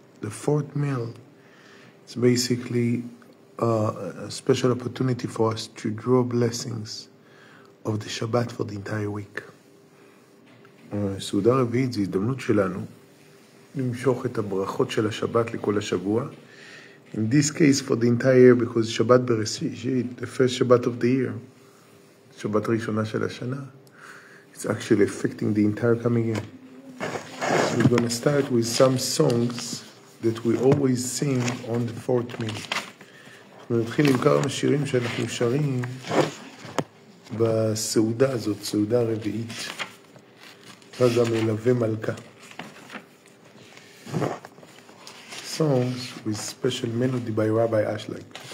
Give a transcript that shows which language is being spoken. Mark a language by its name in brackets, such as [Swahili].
[English] The fourth meal is basically a special opportunity for us to draw blessings of the Shabbat for the entire week. [Hebrew] סעודה רביעית זה הזדמנות שלנו למשוך את הברכות של השבת לכל השבוע. [English] In this case for the entire year, because שבת בראשית, the first Shabbat of the year, [Hebrew] שבת ראשונה של השנה, [English] it's actually affecting the entire coming year. So we're going to start with some songs that we always sing on the fourth meal. [Hebrew] אנחנו נתחיל עם כמה שירים שאנחנו שרים בסעודה הזאת, סעודה רביעית. [English] Songs with special melody by Rabbi Ashlag.